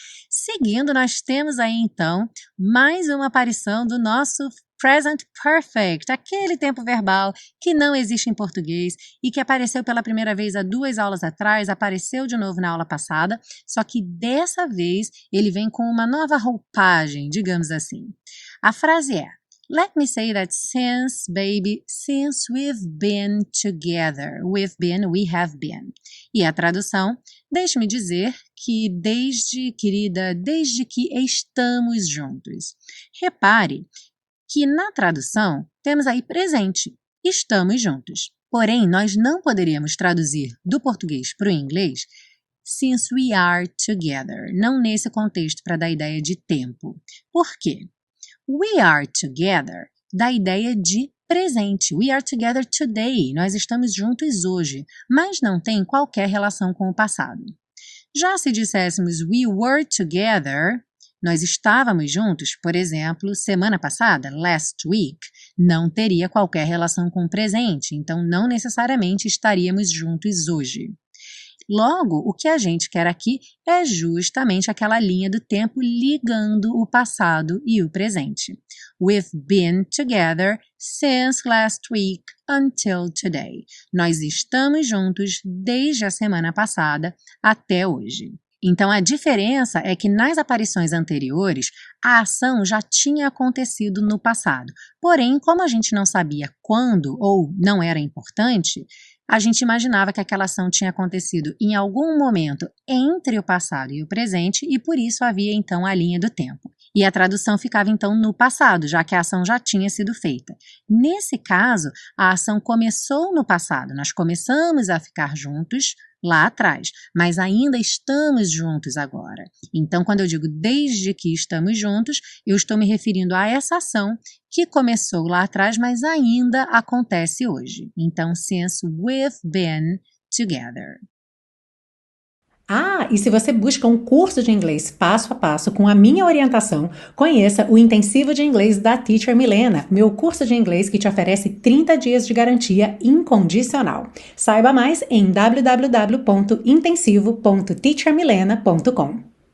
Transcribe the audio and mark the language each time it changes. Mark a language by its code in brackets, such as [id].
[pt] Seguindo, nós temos aí, então, mais uma aparição do nosso Present Perfect, aquele tempo verbal que não existe em português e que apareceu pela primeira vez há duas aulas atrás, apareceu de novo na aula passada, só que dessa vez ele vem com uma nova roupagem, digamos assim. A frase é: [en] Let me say that since, baby, since we've been together, we've been, we have been. [pt] E a tradução, deixe-me dizer que desde, querida, desde que estamos juntos. Repare que na tradução temos aí presente, estamos juntos. Porém, nós não poderíamos traduzir do português para o inglês [en] since we are together, [pt] não nesse contexto para dar ideia de tempo. Por quê? [en] We are together [pt] dá ideia de presente. [en] We are together today. [pt] Nós estamos juntos hoje, mas não tem qualquer relação com o passado. Já se disséssemos [en] we were together, [pt] nós estávamos juntos, por exemplo, semana passada, [en] last week, [pt] não teria qualquer relação com o presente, então não necessariamente estaríamos juntos hoje. Logo, o que a gente quer aqui é justamente aquela linha do tempo ligando o passado e o presente. [en] We've been together since last week until today. [pt] Nós estamos juntos desde a semana passada até hoje. Então, a diferença é que nas aparições anteriores, a ação já tinha acontecido no passado. Porém, como a gente não sabia quando ou não era importante, a gente imaginava que aquela ação tinha acontecido em algum momento entre o passado e o presente e por isso havia então a linha do tempo. E a tradução ficava então no passado, já que a ação já tinha sido feita. Nesse caso, a ação começou no passado, nós começamos a ficar juntos lá atrás, mas ainda estamos juntos agora. Então, quando eu digo desde que estamos juntos, eu estou me referindo a essa ação que começou lá atrás, mas ainda acontece hoje. Então, [en] since we've been together. [pt] Ah, e se você busca um curso de inglês passo a passo com a minha orientação, conheça o Intensivo de Inglês da Teacher Milena, meu curso de inglês que te oferece 30 dias de garantia incondicional. Saiba mais em www.intensivo.teachermilena.com.